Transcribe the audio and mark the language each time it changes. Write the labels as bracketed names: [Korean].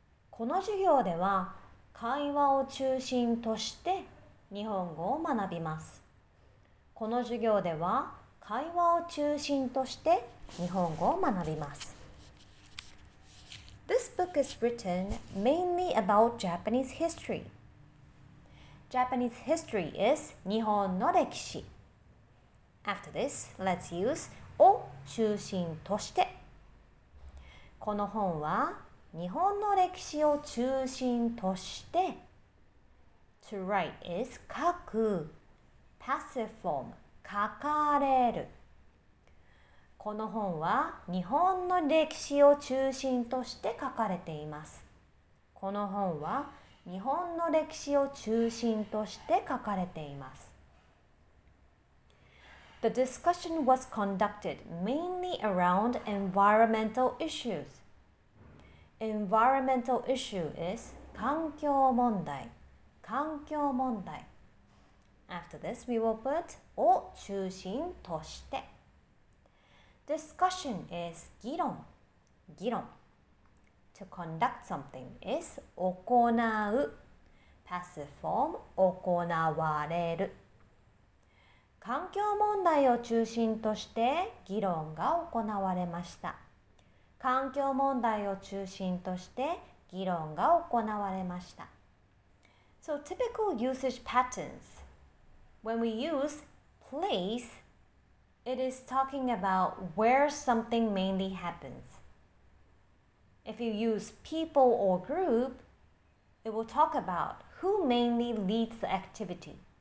[Japanese] この授業では、会話を中心として日本語を学びます。この授業では、会話を中心として日本語を学びます。 [English] This book is written mainly about Japanese history. Japanese history is [Japanese] 日本の歴史。 [English] After this, let's use [Japanese] を中心として。この本は日本の歴史を中心として。 [English] To write is [Japanese] 書く。 [English] Passive form [Japanese] 書かれる。この本は日本の歴史を中心として書かれています。この本は日本の歴史を中心として書かれています。 [English] The discussion was conducted mainly around environmental issues. Environmental issue is [Japanese] 環境問題、環境問題。 [English] After this, we will put [Japanese] を中心として。 [English] Discussion is [Japanese] 議論、議論。 [English] To conduct something is [Japanese] 行う。 [English] Passive form [Japanese] 行われる。環境問題を中心として議論が行われました。環境問題を中心として議論が行われました。 [English] So typical usage patterns. When we use place, it is talking about where something mainly happens. If you use people or group, it will talk about who mainly leads the activity.